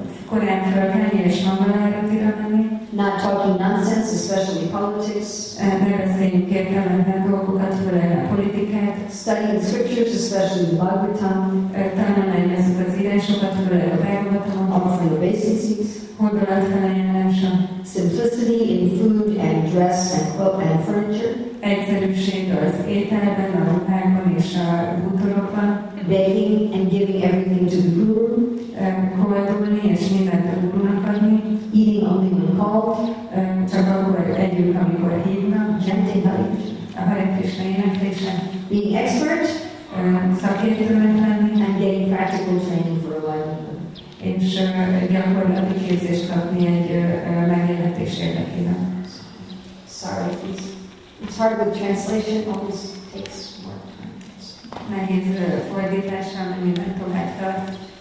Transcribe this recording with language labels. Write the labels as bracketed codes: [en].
[hu] Korán felkelni és Mangalartira menni. [en] Not talking nonsense, especially politics. [hu] Beszéljünk értelmetlen dolgokat, főleg a politikát. [en] Studying scriptures, especially the Bhagavatam. [hu] Tanulmányozni ezeket az írásokat, főleg a Bhagavatam. [en] Offering the basics. [hu] Hordalat felajánlása. [en] Simplicity in food and dress and clothes and furniture. [hu] Egyszerűség az ételben, a ruhákban és a bútorokban. [en] Begging and giving everything to the guru. [hu] Kovádolni és mindent a gurunak adni. [en] Eating only when called. [hu] Csak akkor együnk, amikor hívnak. [en] Chanting Hare [hu] Krishna. A Hare Krishna énekése. [en] Being expert. [hu] Szakértőnek lenni. [en] And getting practical training for a while. [hu] És gyakorlati képzést kapni egy megélhetés érdekében. [en] Sorry, please. It's hard with translation, always takes more time. [hu] Nehéz fordítása, ami meg tovább tart.